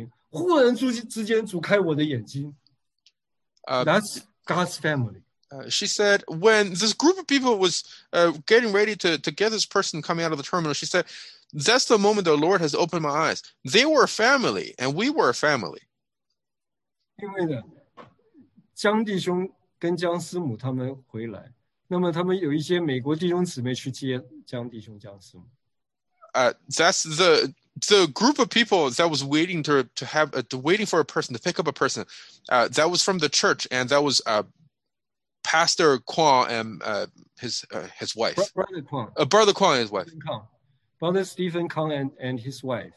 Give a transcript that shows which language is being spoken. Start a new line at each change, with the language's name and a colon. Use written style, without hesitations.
Chinese: 你们彼此相见那个情形,忽然之间逐开我的眼睛。
English: That's God's family. She said, when this group of people was getting ready to get this person coming out of the terminal, she said, that's the moment the Lord has opened my eyes. They were a family, and we were a family.
Chinese: 因为呢,江弟兄跟江师母他们回来, 那么他们有一些美国弟兄姊妹去接江弟兄江师母。
English: That's the group of people that was waiting to have a, to waiting for a person to pick up a person, that was from the church, and that was Pastor Kwan and his wife. Brother Kwan. Brother Kwan and his wife. Stephen Kong. Brother Stephen Kong and his wife.